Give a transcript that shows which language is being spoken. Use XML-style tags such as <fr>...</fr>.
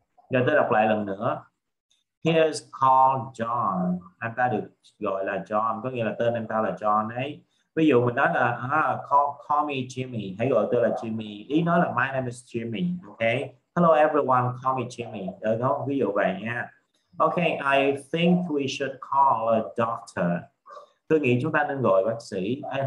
<vi>Giờ tôi đọc lại lần nữa.</vi> <en>He is called John.</en> <vi>Anh ta được gọi là John, có nghĩa là tên anh ta là John ấy. Ví dụ mình nói là</vi> <en>call me Jimmy,</en> <vi>hãy gọi tôi là Jimmy, ý nói là</vi> <en>my name is Jimmy,</en> <vi>okay?</vi> <en>Hello everyone, call me Jimmy,</en> <vi>được không? Ví dụ vậy nha.</vi> <en>Okay, I think we should call a doctor.</en> <vi>Tôi nghĩ chúng ta nên gọi bác sĩ.</vi>